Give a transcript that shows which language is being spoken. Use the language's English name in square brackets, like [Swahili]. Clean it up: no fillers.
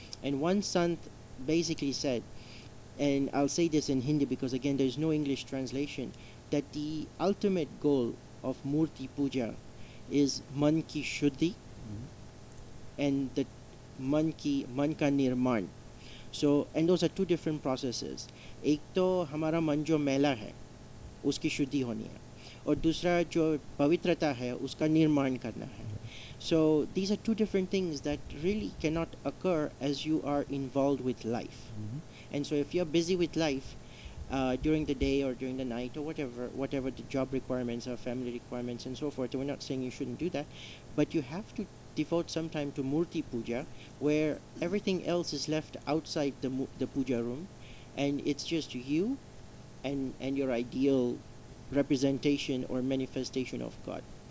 [English] And one sant basically said, and I'll say this in Hindi because again there's no English translation, that the ultimate goal of Murti Puja is [Hindi] man ki shuddhi, [English] and the man ki, [Hindi] man ka nirman. [English] So, and those are two different processes. [Hindi] एक तो हमारा मन जो मैला है, उसकी शुद्धि होनी है. और दूसरा जो पवित्रता है, उसका निर्माण करना है. [English] So these are two different things that really cannot occur as you are involved with life. Mm-hmm. And so if you're busy with life during the day or during the night or whatever the job requirements or family requirements and so forth, we're not saying you shouldn't do that, but you have to devote some time to Murti Puja, where everything else is left outside the puja room, and it's just you and your ideal representation or manifestation of God.